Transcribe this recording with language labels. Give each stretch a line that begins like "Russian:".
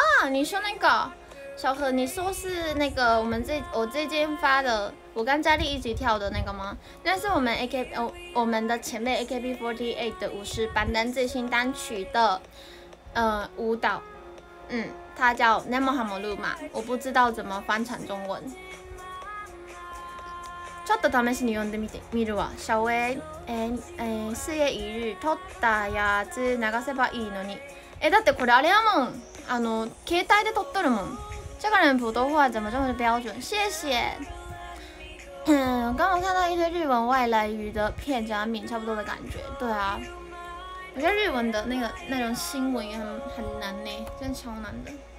Chinese: 你说那个小何，你说是那个我最近发的，我跟佳丽一起跳的那个吗？那是我们 我们的前辈 AKB48 的舞狮榜单最新单曲的，舞蹈，他叫 Nemo Hamoru 嘛，我不知道怎么翻成中文。
Japanese: ちょっと試しに読んでみて、見るわ。小薇，四月一日撮ったやつ流せばいいのに。だってこれあれやもん。携帯で撮っとるもん。
Chinese: 这个人普通话怎么这么标准？谢谢。刚刚看到一堆日文外来语的片假名，差不多的感觉。对啊。我觉得日文的那个那种新闻也很难呢，真的超难的。